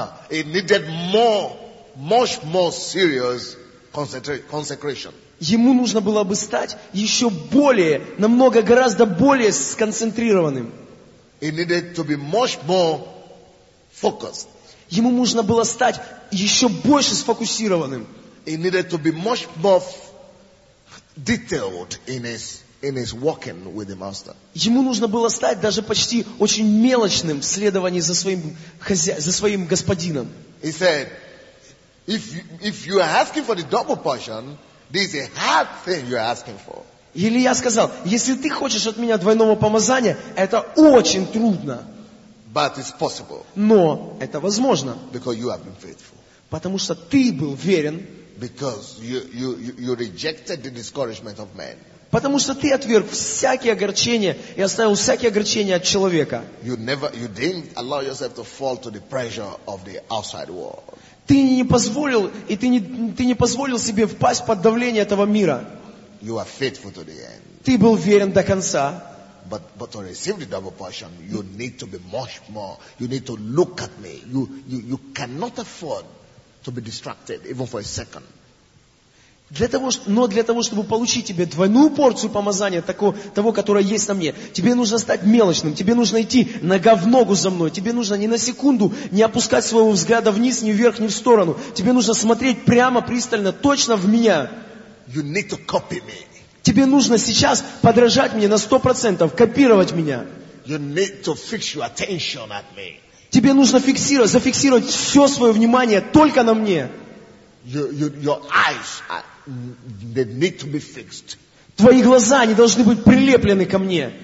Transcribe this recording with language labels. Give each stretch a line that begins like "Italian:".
English: it needed more, much more serious consecration.
Russian: Ему нужно было бы стать еще более, намного гораздо более сконцентрированным.
English: It needed to be much more focused.
Russian: Ему нужно было стать еще больше сфокусированным.
English: It needed to be much more detailed in his walking with the master.
Russian: Ему нужно было стать даже почти очень мелочным в следовании за своим господином.
English: He said, if you are asking for the double portion, this is a hard thing you are asking for.
Russian: Илия сказал, если ты хочешь от меня двойного помазания, это очень трудно.
English: But it's possible.
Russian: Но это возможно.
English: Because you have been faithful.
Russian: Потому что ты был верен.
English: Because you rejected the discouragement of man.
Russian: Потому что ты отверг всякие огорчения и оставил всякие огорчения от человека.
English: You didn't allow yourself to fall to the pressure of the outside world.
Russian: Ты не позволил и ты не позволил себе впасть под давление этого мира.
English: You are faithful to the end.
Russian: Ты был верен до конца.
English: But to receive the double portion, you need to be much more. You need to look at me. You cannot afford to be distracted even for a second.
Russian: Для того, чтобы получить тебе двойную порцию помазания того, которое есть на мне, тебе нужно стать мелочным, тебе нужно идти нога в ногу за мной, тебе нужно ни на секунду не опускать своего взгляда вниз, ни вверх, ни в сторону. Тебе нужно смотреть прямо, пристально, точно в меня.
English: You need to copy me.
Russian: Тебе нужно сейчас подражать мне на 100%, копировать меня.
English: You need to fix your attention at me.
Russian: Тебе нужно зафиксировать все свое внимание только на мне.
English: Your eyes they need to be fixed.
Russian: Твои глаза, они должны быть прилеплены ко мне.